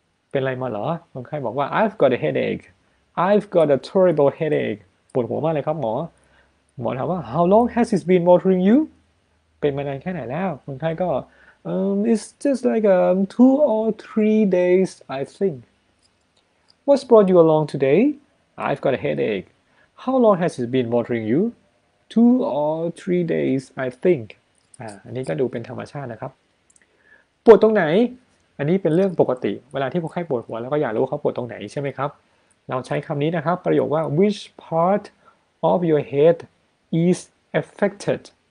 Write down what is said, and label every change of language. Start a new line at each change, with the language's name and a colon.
Thai: เป็นอะไรมาเหรอคนไข้บอกว่า
English: I've got a headache I've got a terrible headache
Thai: ปวดหัวมากเลยครับหมอถามว่า
English: How long has it been bothering you?
Thai: เป็นมานานแค่ไหนแล้วคนไข้ก็
English: It's just like 2 or 3 days I think What's brought you along today? I've got a headache How long has it been bothering you? 2 or 3 days, I think.
Thai: อันนี้ก็ดูเป็นธรรมชาตินะครับปวดตรงไหนอันนี้เป็นเรื่องปกติเวลาที่ผู้ไข้ปวดหัวแล้วก็อยากรู้ว่าเขาปวดตรงไหนใช่ไหมครับเราใช้คำนี้นะครับประโยคว่า
English: which part of your head is affected